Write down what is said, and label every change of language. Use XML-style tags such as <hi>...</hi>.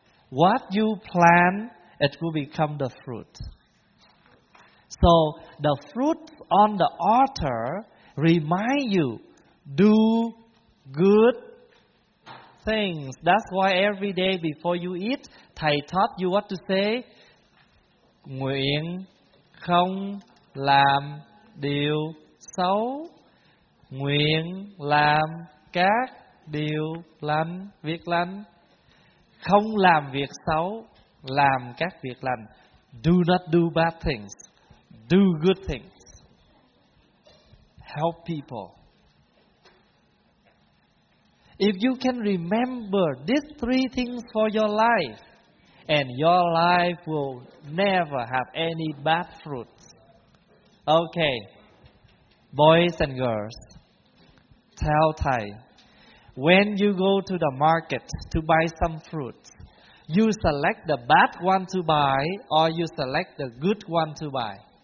<en>What you plant, it will become the fruit. So the fruit on the altar remind you, do good things. That's why every day before you eat, Thầy taught you what to say.</en> <vi>Nguyện không làm điều xấu. Nguyện làm các điều lành, việc lành. Không làm việc xấu, làm các việc lành.</vi> <en>Do not do bad things. Do good things. help people. If you can remember these three things for your life, and your life will never have any bad fruits. Okay, boys and girls, tell Thai, when you go to the market to buy some fruits, you select the bad one to buy or you select the good one to buy?</en>